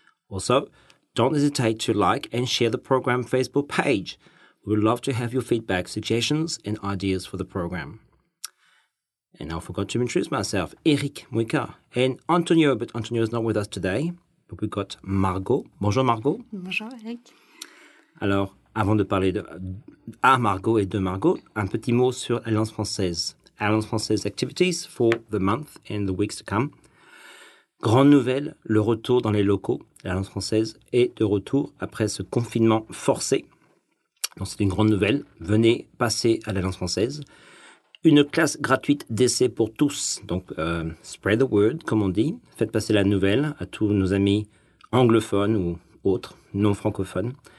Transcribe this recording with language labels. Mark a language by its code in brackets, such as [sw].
[en] Also, don't hesitate to like and share the program Facebook page. We would love to have your feedback, suggestions, and ideas for the program. And I forgot to introduce myself, Eric Mouika and Antonio, but Antonio is not with us today. But we've got Margot. Bonjour, Margot. [fr] Bonjour, Eric. Alors, avant de parler à Margot et de Margot, un petit mot sur Alliance Française. [en] Alliance Française activities for the month and the weeks to come. [fr] Grande nouvelle, le retour dans les locaux. L'Alliance Française est de retour après ce confinement forcé. Donc c'est une grande nouvelle. Venez passer à l'Alliance Française. Une classe gratuite d'essai pour tous. Donc, [en] spread the word, [fr] comme on dit. Faites passer la nouvelle à tous nos amis anglophones ou autres, non francophones.